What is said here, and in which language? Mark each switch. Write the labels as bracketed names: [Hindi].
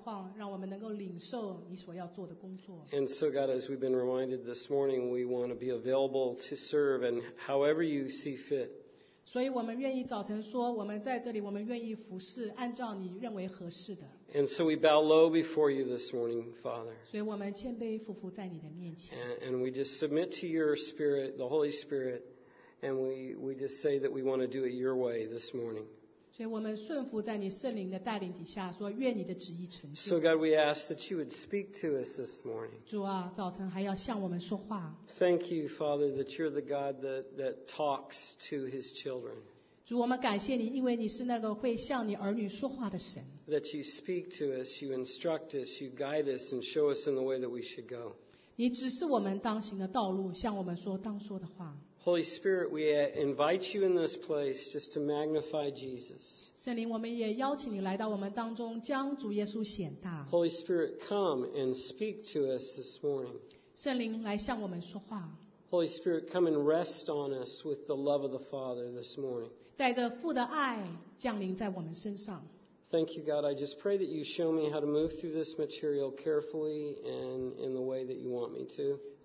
[Chinese] 主，让我们的心是在一个对的状况，让我们能够领受你所要做的工作。 [English] And so, God, as we've been reminded this morning, we want to be available to serve and however you see fit. [Chinese] 所以我们愿意早晨说，我们在这里，我们愿意服侍，按照你认为合适的。 [English] And so we bow low before you this morning, Father. [Chinese] 所以我们谦卑俯伏在你的面前。 [English] And we just submit to your Spirit, the Holy Spirit, and we just say that we want to do it your way this morning. [Chinese] 所以我们顺服在你圣灵的带领底下，说愿你的旨意成就。 [English] So God, we ask that you would speak to us this morning. [Chinese] 主啊，早晨还要向我们说话。 [English] Thank you, Father, that you're the God that talks to His children. [Chinese] 主，我们感谢你，因为你是那个会向你儿女说话的神。 [English] That you speak to us, you instruct us, you guide us, and show us in the way that we should go. [Chinese] 你指示我们当行的道路，向我们说当说的话。 [English] Holy Spirit, we invite you in this place just to magnify Jesus. [Chinese] 圣灵，我们也邀请你来到我们当中，将主耶稣显大。 [English] Holy Spirit, come and speak to us this morning. [Chinese] 圣灵来向我们说话。 [English] Holy Spirit, come and rest on us with the love of the Father this morning. [Chinese] 带着父的爱降临在我们身上。 [English] Thank you, God. I just pray that you show me how to move through this material carefully and in the way that you want me to.